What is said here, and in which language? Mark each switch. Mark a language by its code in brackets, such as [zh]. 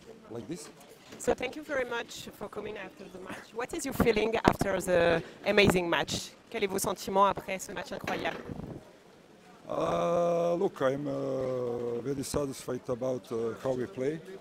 [en] Like this? So thank you very much for coming after the match. What is your feeling after the amazing match? [fr] Quel est vos sentiments après ce match incroyable? [en] Look, I'm very satisfied about how we play.